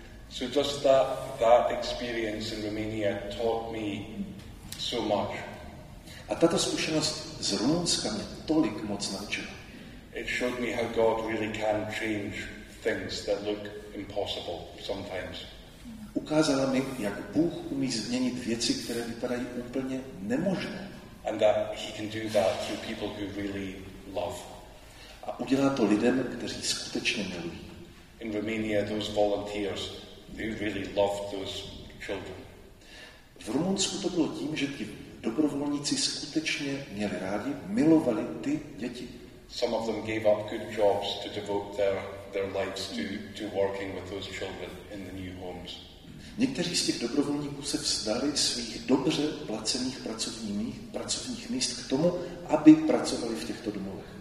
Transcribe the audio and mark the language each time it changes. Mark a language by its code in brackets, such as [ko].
[en] So just that experience in Romania taught me so much. [cs] A tato zkušenost z Rumunska mě tolik moc naučila. [en] It showed me how God really can change things that look impossible sometimes. [cs] Ukázala mi, jak Bůh umí změnit věci, které vypadají úplně nemožné. [en] And that he can do that through people who really love. [cs] A udělá to lidem, kteří skutečně milují. [en] In Romania, those volunteers, they really loved those children. [cs] V Rumunsku to bylo tím, že ti dobrovolníci skutečně měli rádi, milovali ty děti. [en] Some of them gave up good jobs to devote their lives to working with those children in the new homes. [cs] Někteří z těch dobrovolníků se vzdali svých dobře placených pracovních míst k tomu, aby pracovali v těchto domovech.